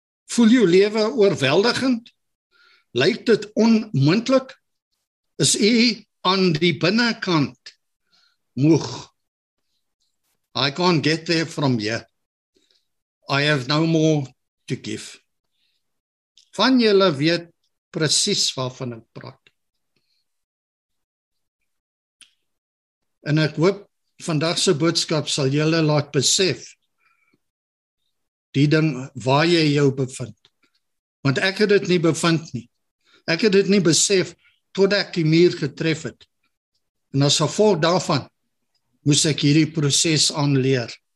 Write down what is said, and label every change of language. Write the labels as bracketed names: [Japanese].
[Afrikaans] Voel jou lewe oorweldigend? Lyk dit onmoontlik? Is jy aan die binnenkant moeg? [English] I can't get there from here. I have no more to give. [Afrikaans] Van julle weet precies waarvan ek praat. En ek hoop vandagse boodskap sal julle laat besef die ding waar jy jou bevind. Want ek het dit nie bevind nie. Ek het dit nie besef tot ek die muur getref het. En as gevolg daarvan, moes ek hierdie proces aanleer.